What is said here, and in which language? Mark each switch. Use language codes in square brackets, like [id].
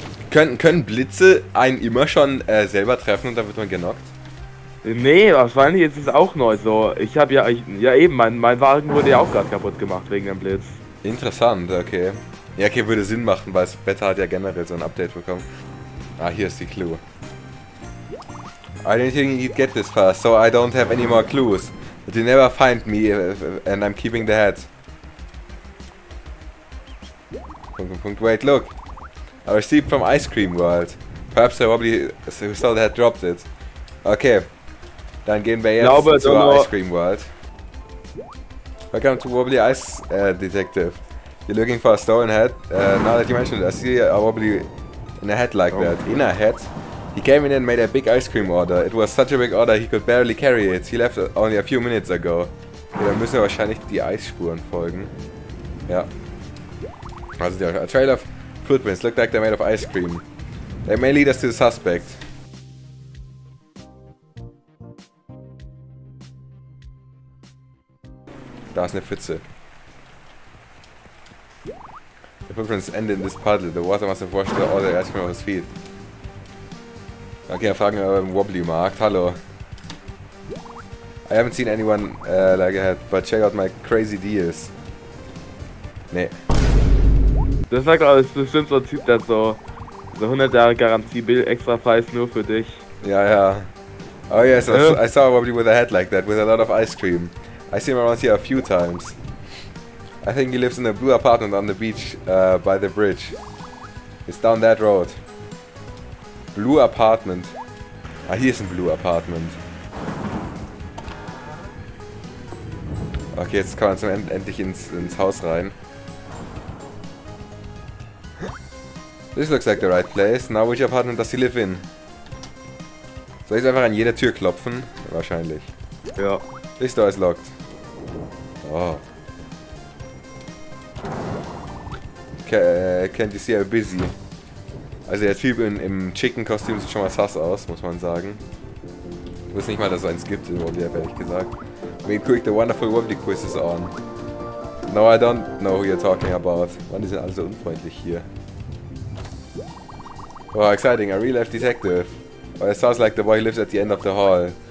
[de] Können Blitze einen immer schon selber treffen und dann wird man genockt? Nee, wahrscheinlich ist es auch neu so. Ich habe ja, mein Wagen wurde ja auch gerade kaputt gemacht wegen dem Blitz. Interessant, okay. Ja, okay, würde Sinn machen, weil das Wetter hat ja generell so ein Update bekommen. Ah, hier ist die Clue. [en] I didn't think you'd get this fast, so I don't have any more clues. But you never find me and I'm keeping the hat. Wait, look. A receipt from Ice Cream World. Perhaps the Wobbly who stole the hat dropped it. Okay. [de] Dann gehen wir jetzt zu Ice Cream World. [en] Welcome to Wobbly Ice Detective. You're looking for a stolen hat? Now that you mentioned it, I see a Wobbly in a hat like that. In a hat? He came in and made a big ice cream order. It was such a big order, he could barely carry it. He left only a few minutes ago. [de] Okay, dann müssen wir wahrscheinlich die Eisspuren folgen. [en] Ja. Also, a trail of footprints look like they're made of ice cream. They may lead us to the suspect. [de] Da ist eine Pfütze. [en] The footprints end in this puddle. The water must have washed all the ice cream off his feet. [de] Okay, fragen wir beim Wobbly-Markt. Hallo. [en] I haven't seen anyone like a hat, but check out my crazy deals. Nee. [de] Das sagt aber, ist bestimmt so ein Typ, der so 100 Jahre Garantie-Bill extra preis nur für dich. Ja, ja. [en] Oh yes, I saw a Wobbly with a hat like that, with a lot of ice cream. I see him around here a few times. I think he lives in a blue apartment on the beach by the bridge. It's down that road. Blue Apartment. [de] Ah, hier ist ein Blue Apartment. Okay, jetzt kann man zum Ende endlich ins Haus rein. [en] This looks like the right place. Now which apartment does he live in? [de] Soll ich jetzt einfach an jeder Tür klopfen? Wahrscheinlich. Ja. [en] This door is locked. Oh. Can't you see I'm busy? [de] Also der Typ im Chicken-Kostüm sieht schon mal sass aus, muss man sagen. Ich wusste nicht mal, dass es eins gibt, ehrlich gesagt. [en] Wait, quick, the wonderful Wobbly quiz is on. No, I don't know who you're talking about. [de] Mann, die sind alle so unfreundlich hier. [en] Oh, exciting, a real-life detective. Well, it sounds like the boy lives at the end of the hall.